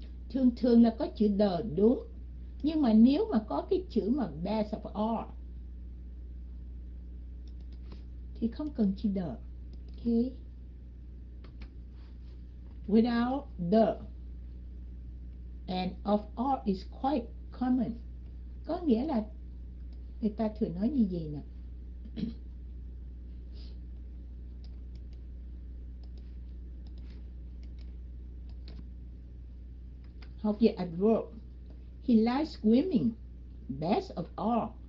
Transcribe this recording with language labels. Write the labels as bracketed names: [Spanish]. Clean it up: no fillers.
[Vietnamese] Thường thường là có chữ the đúng, nhưng mà nếu mà có cái chữ mà [English] best of all [Vietnamese] thì không cần chữ the. [English] Okay. Without the and of all is quite common. [Vietnamese] Có nghĩa là người ta thường nói như vậy nè. Học về [English] adverb. He likes swimming. Best of all.